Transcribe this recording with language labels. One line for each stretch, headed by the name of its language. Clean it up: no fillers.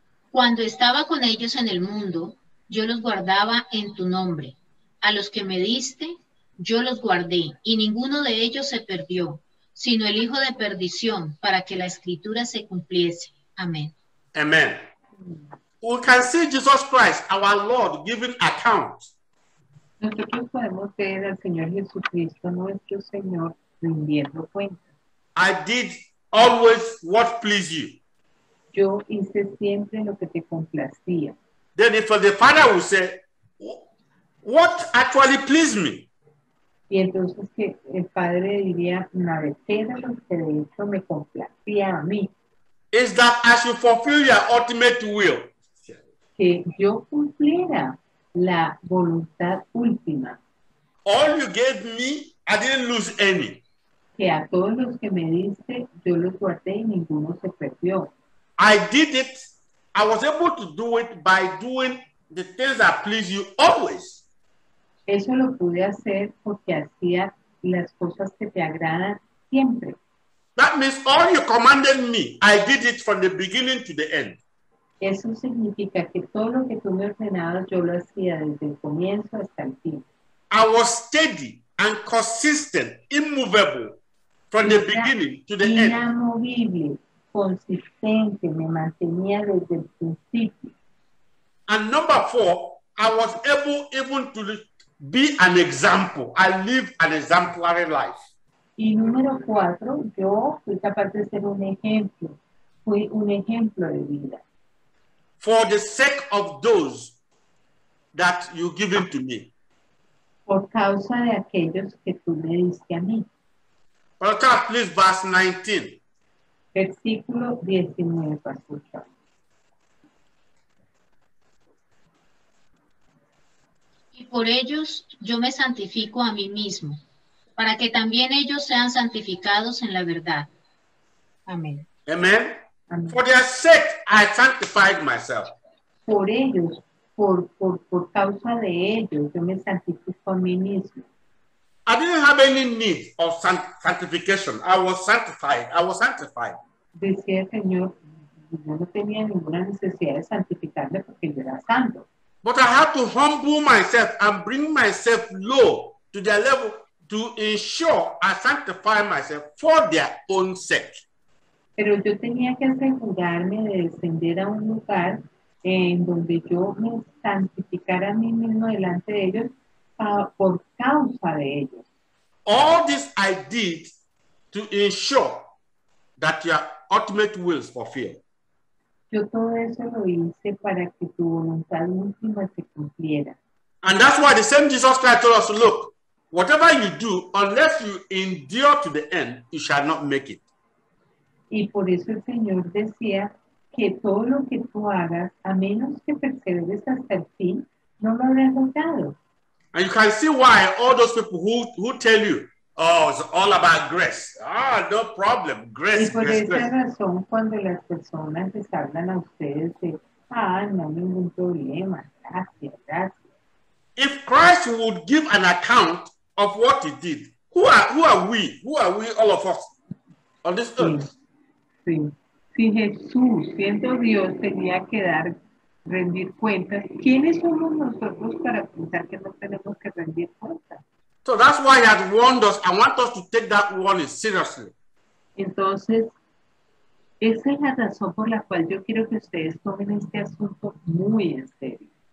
Spanish: Cuando estaba con ellos en el mundo, yo los guardaba en tu nombre. A los que me diste, yo los guardé, y ninguno de ellos se perdió, sino el hijo de perdición, para que la escritura se cumpliese. Amén. Amén.
English: We can see Jesus Christ, our Lord, giving account.
Spanish: Nosotros podemos ver al Señor Jesucristo, nuestro Señor, rindiendo cuenta.
English: I did always what pleased you.
Spanish: Yo hice siempre lo que te complacía.
English: Then if the Father would say, what actually pleased me?
Spanish: Y entonces que el Padre diría, una vez que era lo que de hecho me complacía a mí.
English: Is that I should fulfill your ultimate will?
Spanish: Que yo cumpliera la voluntad última.
English: All you gave me, I didn't lose any.
Spanish: Que a todos los que me diste, yo los guardé y ninguno se perdió.
English: I did it. I was able to do it by doing the things that please you always.
Spanish: Eso lo pude hacer porque hacía las cosas que te agradan siempre.
English: That means all you commanded me, I did it from the beginning to the end.
Spanish: Eso significa que todo lo que tú me ordenabas, yo lo hacía desde el comienzo hasta el fin.
English: I was steady and consistent, immovable, from the beginning to the end.
Spanish: Inamovible, consistente, me mantenía desde el principio.
English: And number four, I was able even to be an example. I live an exemplary life.
Spanish: Y número cuatro, yo fui capaz de ser un ejemplo. Fui un ejemplo de vida.
English: For the sake of those that you give him to me.
Spanish: Por causa de aquellos que tú me diste a mí.
English: Pastor, please, verse 19.
Spanish: Versículo 19, Pastor Charles. Y por ellos yo me santifico a mí mismo, para que también ellos sean santificados en la verdad. Amén.
English: Amén. For their sake, I sanctified myself.
Spanish: Por ellos, por causa de ellos, yo me santifico a mí mismo.
English: I didn't have any need of sanctification. I was sanctified.
Spanish: Decía el Señor, yo no tenía ninguna necesidad de santificarme porque yo era santo.
English: But I had to humble myself and bring myself low to their level to ensure I sanctify myself for their own sake.
Spanish: Pero yo tenía que asegurarme de descender a un lugar en donde yo me santificara a mí mismo delante de ellos por causa de ellos.
English: All this I did to ensure that your ultimate will is fulfilled.
Spanish: Yo todo eso lo hice para que tu voluntad última se cumpliera.
English: And that's why the same Jesus Christ told us, look, whatever you do, unless you endure to the end, you shall not make it.
Spanish: Y por eso el Señor decía que todo lo que tú hagas, a menos que perseveres hasta el fin, no lo habrás logrado.
English: And you can see why all those people who tell you, oh, it's all about grace. Ah, no problem. Grace, grace, grace.
Spanish: Y por esa razón, cuando las personas les hablan a ustedes de, ah, no, ningún problema. Gracias, gracias.
English: If Christ would give an account of what he did, who are we? Who are we, all of us, on this earth?
Spanish: Sí. Si Jesús, siendo Dios, tenía que dar, rendir cuentas, ¿quiénes somos nosotros para pensar que no tenemos que rendir cuentas?
English: So that's why he has warned us and want us to take that warning seriously.
Spanish: Entonces, esa es la razón por la cual yo quiero que ustedes tomen este asunto muy en serio.